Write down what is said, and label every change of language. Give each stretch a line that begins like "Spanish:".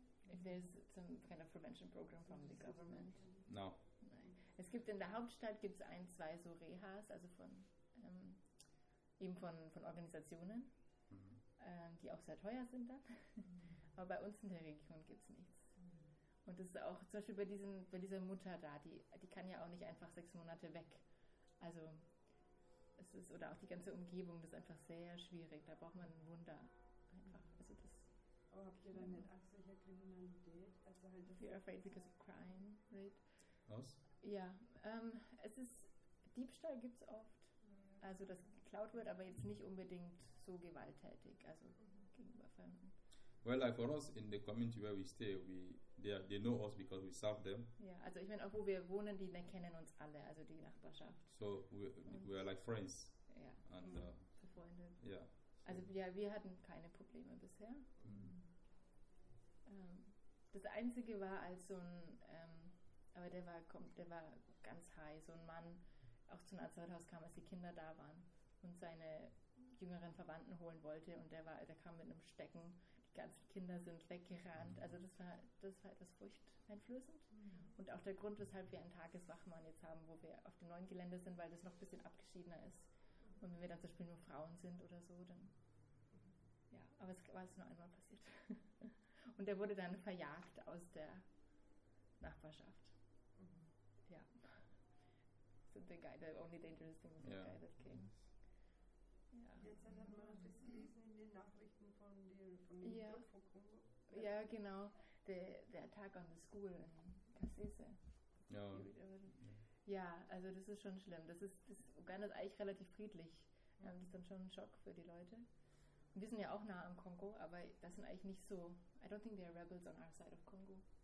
English: If there's some kind of prevention program from the government? No.
German: Nein. Es gibt in der Hauptstadt gibt's ein, zwei so Rehas, also von eben von Organisationen. Die auch sehr teuer sind dann. Aber bei uns in der Region gibt es nichts. Und das ist auch zum Beispiel bei dieser Mutter da, die kann ja auch nicht einfach 6 Monate weg. Also es ist, oder auch die ganze Umgebung, das ist einfach sehr schwierig. Da braucht man ein Wunder einfach. Also das oh, habt ihr dann nicht Angst vor Kriminalität? Also halt
English: if you're afraid because of crime, right?
German: Was? Ja, es ist, Diebstahl gibt es oft. Also das geklaut wird, aber jetzt nicht unbedingt so gewalttätig, also gegenüber Fremden.
English: Well, like for us in the community where we stay, they know us because we serve them.
German: Ja, also ich meine auch wo wir wohnen, die kennen uns alle, also die Nachbarschaft.
English: So we are like friends.
German: Ja.
English: And
German: befreundet.
English: Yeah.
German: Also ja, wir hatten keine Probleme bisher. Mhm. Das Einzige war als so ein, aber der war ganz high, so ein Mann, auch zum Nazarethaus kam, als die Kinder da waren und seine jüngeren Verwandten holen wollte und der kam mit einem Stecken, die ganzen Kinder sind weggerannt, also das war etwas furchteinflößend und auch der Grund, weshalb wir einen Tageswachmann jetzt haben, wo wir auf dem neuen Gelände sind, weil das noch ein bisschen abgeschiedener ist und wenn wir dann zum Beispiel nur Frauen sind oder so, dann ja, aber es war nur einmal passiert und der wurde dann verjagt aus der Nachbarschaft.
English: Ja, so the guy, the only dangerous thing was the guy that came.
German: Jetzt hat man das gelesen in den Nachrichten von dem von Kongo. Ja, genau. Der
English: Attack on the school in Kasese.
German: Ja. Ja, also das ist schon schlimm. Das ist Uganda ist eigentlich relativ friedlich. Ja. Das ist dann schon ein Schock für die Leute. Und wir sind ja auch nah am Kongo, aber das sind eigentlich nicht so.
English: I don't think they are rebels on our side of Congo.